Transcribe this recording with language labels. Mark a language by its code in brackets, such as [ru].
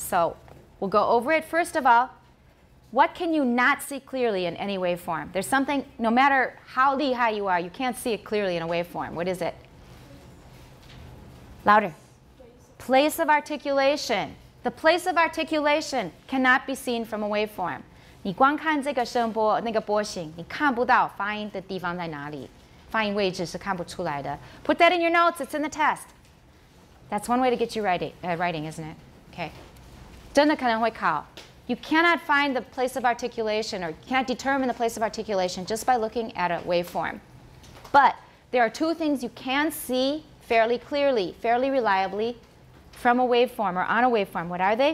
[en] So we'll go over it. First of all, what can you not see clearly in any waveform? There's something, no matter how lihai you are, you can't see it clearly in a waveform. What is it? Louder. Place of articulation. The place of articulation cannot be seen from a waveform. [zh] 你光看这个声波那个波形，你看不到发音的地方在哪里，发音位置是看不出来的。 [en] Put that in your notes. It's in the test. That's one way to get you writing, isn't it? Okay. [zh] 真的可能会考。 [en] You cannot find the place of articulation or can't determine the place of articulation just by looking at a waveform. But there are two things you can see fairly clearly, fairly reliably from a waveform or on a waveform. What are they?